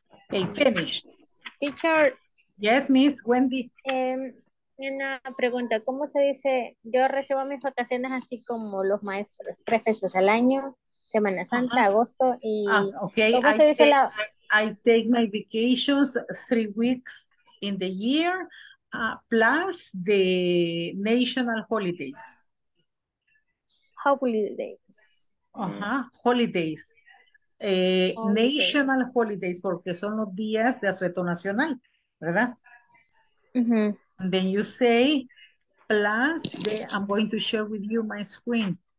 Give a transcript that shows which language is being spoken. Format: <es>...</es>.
<en>Okay, finished. Teacher. Yes, Miss Wendy.</en> <es>Una pregunta, ¿cómo se dice? Yo recibo mis vacaciones así como los maestros, 3 veces al año, Semana Santa, uh-huh. Agosto, y</es> <en>okay.</en> <es>¿Cómo</es> <en>I take my vacations 3 weeks in the year, plus the national holidays. Holidays. Uh-huh. Holidays. Holidays. National holidays,</en> <es>porque son los días de asueto nacional, ¿verdad? Uh-huh.</es> <en>And then you say, plus, I'm going to share with you my screen.</en>